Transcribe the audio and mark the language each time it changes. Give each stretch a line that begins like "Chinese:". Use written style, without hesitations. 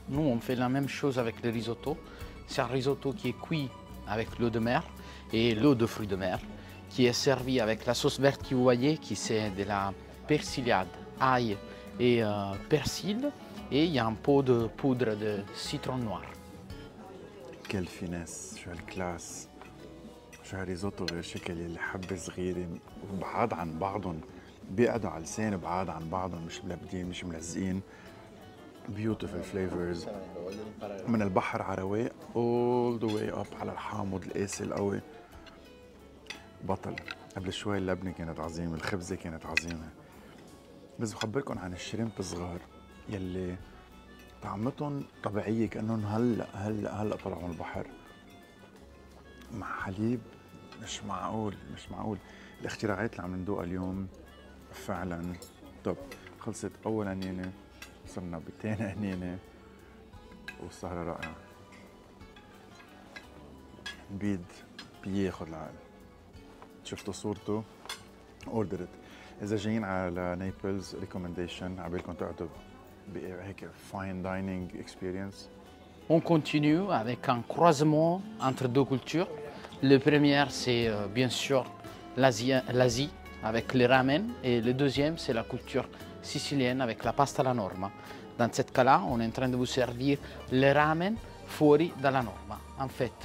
French: Nous, on fait la même chose avec le risotto. C'est un risotto qui est cuit avec l'eau de mer et l'eau de fruits de mer, qui est servi avec la sauce verte que vous voyez, qui c'est de la persiliade, ail et persil, et il y a un pot de poudre de citron noir. Quelle finesse, quelle classe,
Arabic: شو هالريزوتو غير شكل الحبة صغيرة بعاد عن بعضهم، بيقعدوا على لسان بعاد عن بعضهم، مش ملبدين مش ملزقين.
English: Beautiful flavors
Arabic: من البحر عروي
English: all the way up
Arabic: على الحامض القاسي القوي. بطل قبل شوي اللبنة كانت عظيمة، الخبزة كانت عظيمة، بس بخبركن عن الشريمب الصغار يلي طعمتهم طبيعية كأنهم هلأ طلعوا من البحر مع حليب. مش معقول مش معقول، الاختراعات اللي عم ندوقها اليوم فعلا توب. خلصت أول أنينة، صرنا بتاني أنينة والسهرة رائعة. بيد بياخذ العقل، شفتوا صورته أوردرت. إذا جايين على نيبلز ريكومنديشن عبالكم تقعدوا بهيك
English: Fine dining experience.
French: On continue avec un croisement entre deux cultures. Le premier, c'est bien sûr l'Asie avec les ramen. Et le deuxième, c'est la culture sicilienne avec la pasta alla norma. Dans ce cas-là, on est en train de vous servir le ramen
Italian: fuori dalla norma,
French: en fait.